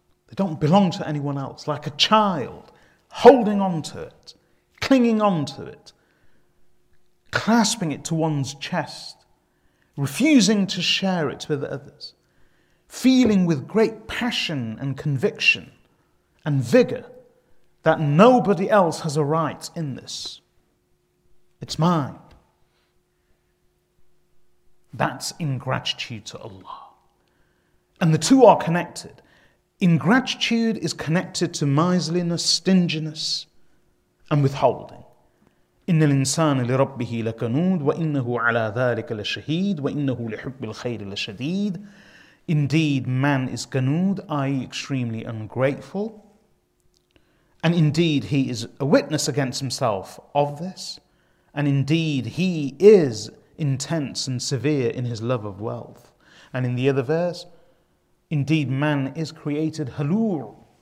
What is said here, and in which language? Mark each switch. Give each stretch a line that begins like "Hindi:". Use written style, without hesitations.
English: They don't belong to anyone else. Like a child holding on to it, clinging on to it, clasping it to one's chest, refusing to share it with others, feeling with great passion and conviction and vigor that nobody else has a right in this. It's mine. That's ingratitude to Allah. And the two are connected. Ingratitude is connected to miserliness, stinginess, and withholding.
Arabic: إِنَّ الْإِنسَانَ لِرَبِّهِ لَكَنُودٌ وَإِنَّهُ عَلَى ذَلِكَ لَشَهِيدٌ وَإِنَّهُ لِحُبِّ الْخَيْرِ لَشَدِيدٌ
English: Indeed, man is kanood, i.e. extremely ungrateful. And indeed, he is a witness against himself of this. And indeed, he is intense and severe in his love of wealth. And in the other verse, indeed, man is created halur.